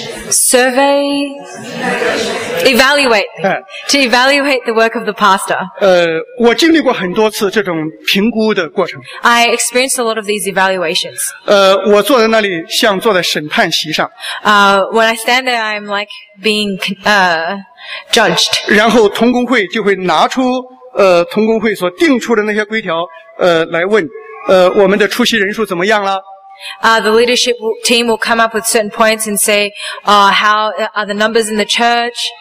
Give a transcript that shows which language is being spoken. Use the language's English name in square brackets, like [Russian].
[English] survey, evaluate, to evaluate the work of the pastor. [Chinese] 我经历过很多次这种评估的过程。 [English] I experienced a lot of these evaluations. [Chinese] 我坐在那里像坐在审判席上。 [English] When I stand there, I'm like being judged. [Chinese] 然后同工会就会拿出同工会所定出的那些规条来问我们的出席人数怎么样了。 [English] The leadership team will come up with certain points and say, how are the numbers in the church?